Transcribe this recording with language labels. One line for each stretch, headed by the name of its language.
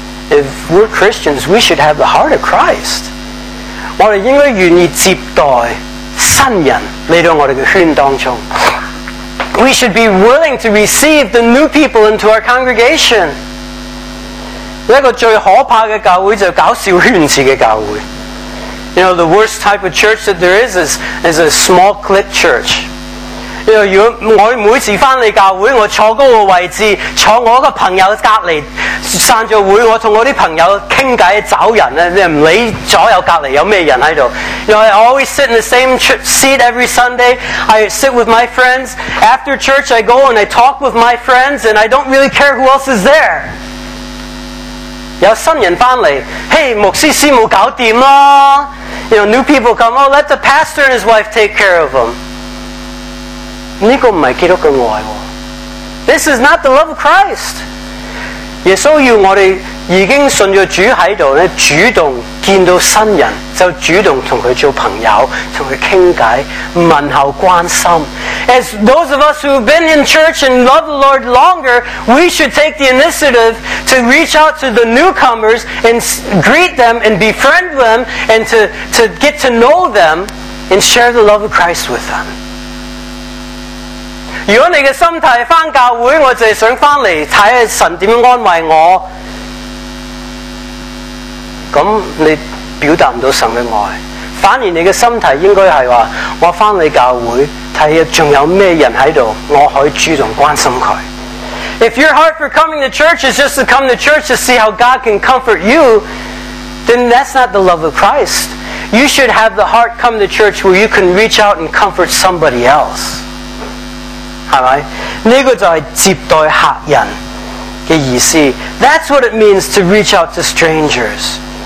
English: If we're Christians, we should have the heart of Christ.
Chinese: 我们应该愿意接待新人来到我们的圈当中。
English: We should be willing to receive the new people into our congregation.
Chinese: 这个最可怕的教会就是搞小圈子的教会。
English: You know, the worst type of church that there is a small clique church.
Chinese: 因为我每次回来教会，我坐那个位置，坐我的朋友隔离，散着会，我跟我的朋友倾偈，找人，不理左右隔离有什么人在这里。
English: You know, I always sit in the same seat every Sunday. I sit with my friends. After church, I go and I talk with my friends, and I don't really care who else is there.
Chinese: 有新人回来，嘿，牧师师母搞定啦。
English: You know, new people come, oh, let the pastor and his wife take care of them.
Chinese: 这个不是基督的爱。
English: This is not the love of Christ.
Chinese: 耶稣要我们已经信了主在这里，主动见到新人，就主动跟他做朋友，跟他倾偈，问候关心。
English: As those of us who have been in church and love the Lord longer, we should take the initiative to reach out to the newcomers and greet them and befriend them and to get to know them and share the love of Christ with them.
Chinese: 如果你的心态是回教会，我就是想回来看看神怎样安慰我，那你表达不到神的爱。反而你的心态应该是说，我回来教会看看还有什么人在这里，我可以主动关心他。
English: If your heart for coming to church is just to come to church to see how God can comfort you, then that's not the love of Christ. You should have the heart come to church where you can reach out and comfort somebody else.
Chinese: 是吧？这个就是接待客人的意思。
English: That's what it means to reach out to strangers.